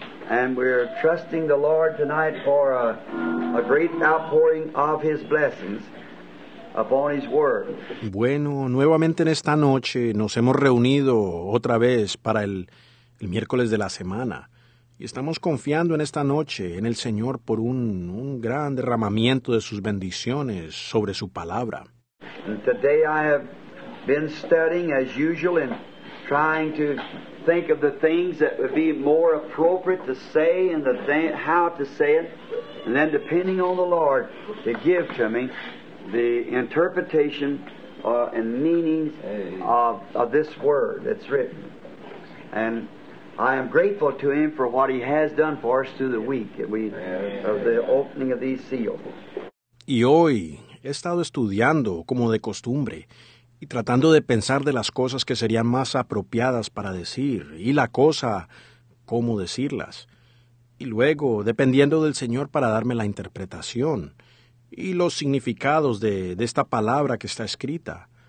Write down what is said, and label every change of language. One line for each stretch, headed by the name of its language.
English: And we're trusting the Lord tonight for a great outpouring of His blessings upon His Word.
Spanish: Bueno, nuevamente en esta noche nos hemos reunido otra vez para el miércoles de la semana. Y estamos confiando en esta noche en el Señor por un gran derramamiento de sus bendiciones sobre su palabra.
English: And today I have been studying as usual and trying to think of the things that would be more appropriate to say and the how to say it, and then depending on the Lord to give to me the interpretation and meanings of this word that's written. And I am grateful to Him for what He has done for us through the week of the opening of these seals.
Spanish: Y hoy he estado estudiando como de costumbre y tratando de pensar de las cosas que serían más apropiadas para decir y la cosa, cómo decirlas. Y luego, dependiendo del Señor para darme la interpretación y los significados de esta palabra que está escrita.